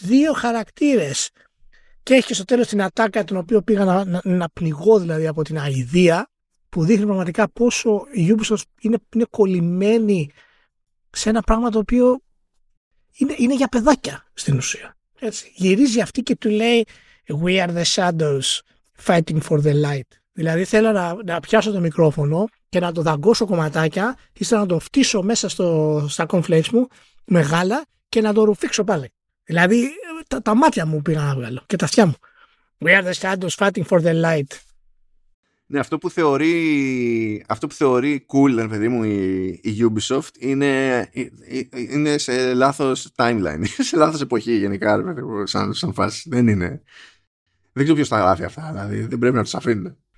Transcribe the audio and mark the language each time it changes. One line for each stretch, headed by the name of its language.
Greek: Δύο χαρακτήρες. Και έχει και στο τέλος την ατάκα την οποία πήγα να πνιγώ δηλαδή από την αηδία, που δείχνει πραγματικά πόσο η Ubisoft είναι κολλημένη σε ένα πράγμα το οποίο είναι για παιδάκια στην ουσία. Έτσι. Γυρίζει αυτή και του λέει
English: «We are the shadows fighting for the light».
Greek: Δηλαδή θέλω να πιάσω το μικρόφωνο και να το δαγκώσω κομματάκια, ύστερα να το φτύσω μέσα στα κονφλέξ μου με γάλα και να το ρουφήξω πάλι. Δηλαδή τα μάτια μου πήγαν να βγάλω και τα αυτιά μου.
English: We are the shadows fighting for the light.
Greek: Ναι, αυτό που θεωρεί, αυτό που θεωρεί cool, παιδί μου, η Ubisoft είναι σε λάθος timeline, σε λάθος εποχή γενικά, παιδί μου, σαν φάση. Δεν είναι. Δεν ξέρω ποιος τα γράφει αυτά, δηλαδή δεν πρέπει να τους αφήνουν.